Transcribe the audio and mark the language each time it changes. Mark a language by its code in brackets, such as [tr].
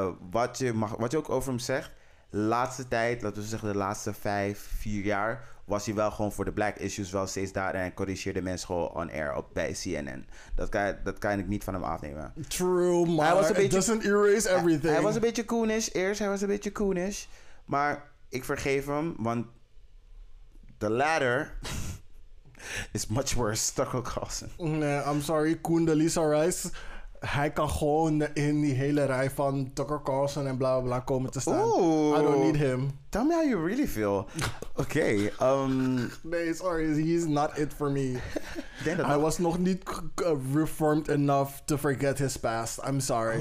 [nl] Wat je ook over hem zegt, laatste tijd, laten we zeggen de laatste 5-4 jaar... was hij wel gewoon voor de black issues wel steeds daar en corrigeerde mensen gewoon on air op bij CNN. Dat kan ik niet van hem afnemen. True, maar hij was een beetje, it doesn't erase everything. Hij was een beetje coonish. Eerst, hij was een beetje coonish. Maar ik vergeef hem, want the latter is much worse. Tucker Carlson. Nee, I'm sorry. Coon de Lisa Rice. Hij kan gewoon in die hele rij van Tucker Carlson en bla bla bla komen te staan. Ooh, [en] I don't need him. Tell me how you really feel. Okay. Nee, sorry. He's not it for me. I was nog niet reformed enough to forget his past. I'm sorry.